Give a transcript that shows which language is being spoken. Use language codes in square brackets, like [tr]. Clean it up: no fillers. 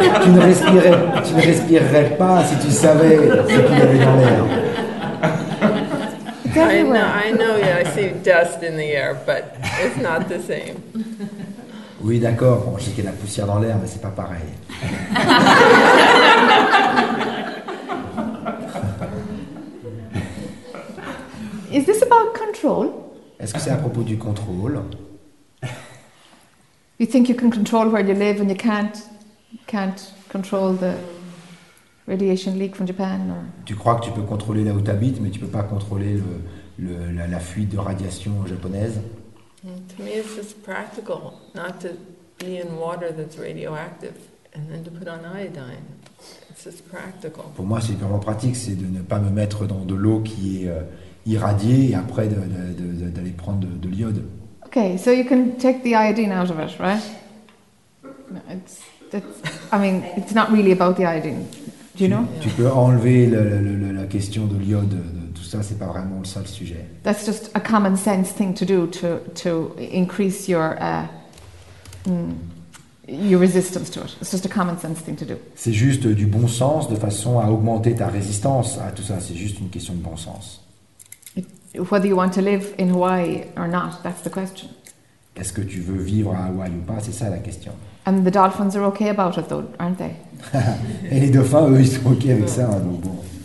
[fr] Tu ne respirerais pas si tu savais ce qu'il y avait dans l'air. [en] It's everywhere. I know, I see dust in the air, but it's not the same. [fr] Oui, d'accord. Bon, je sais qu'il y a la poussière dans l'air, mais c'est pas pareil. [en] Is this about control? [fr] Est-ce que c'est à propos du contrôle? [en] You think you can control where you live and you can't control the radiation leak from Japan? Or... [fr] Tu crois que tu peux contrôler là où tu habites, mais tu peux pas contrôler la fuite de radiation japonaise? [en] To me, it's just practical not to be in water that's radioactive and then to put on iodine. It's just practical. [fr] Pour moi, c'est vraiment pratique, c'est de ne pas me mettre dans de l'eau qui est irradiée et après d'aller prendre de l'iode. [en] Okay, so you can take the iodine out of it, right? No, it's not really about the iodine. Do you know? Yeah. [fr] Tu peux enlever la question de l'iode. Tout ça, c'est pas vraiment le seul sujet. [en] That's just a common sense thing to do to increase your resistance to it. It's just a common sense thing to do. [fr] C'est juste du bon sens de façon à augmenter ta résistance à tout ça. C'est juste une question de bon sens. [en] Whether you want to live in Hawaii or not, that's the question. [fr] Est-ce que tu veux vivre à Hawaii ou pas? C'est ça la question. [en] And the dolphins are okay about it, though, aren't they? [fr] Et les dauphins, eux, ils sont okay avec ça, hein, donc bon.